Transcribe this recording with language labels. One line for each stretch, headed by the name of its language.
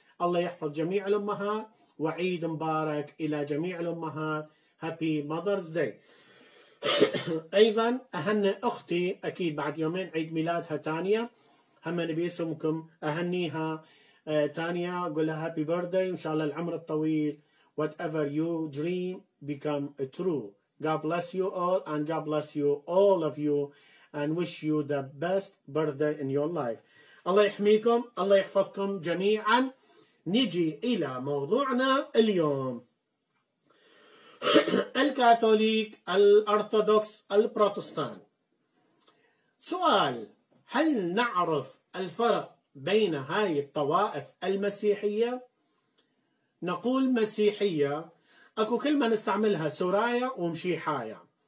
Arabic: الله يحفظ جميع الأمهات، وعيد مبارك إلى جميع الأمهات.
English: Happy Mother's Day.
Arabic: أيضا أهني أختي، أكيد بعد يومين عيد ميلادها تانية، همني باسمكم أهنيها تانية، أقول لها
English: Happy Birthday
Arabic: إن شاء الله العمر الطويل.
English: Whatever you dream become true. God bless you all and God bless you all of you and wish you the best birthday in your life.
Arabic: الله يحميكم، الله يحفظكم جميعا. نجي إلى موضوعنا اليوم. الكاثوليك، الأرثوذكس، البروتستان. سؤال: هل نعرف الفرق بين هاي الطوائف المسيحية؟ نقول مسيحية، أكو كلمة نستعملها سرايا ومشيحايا.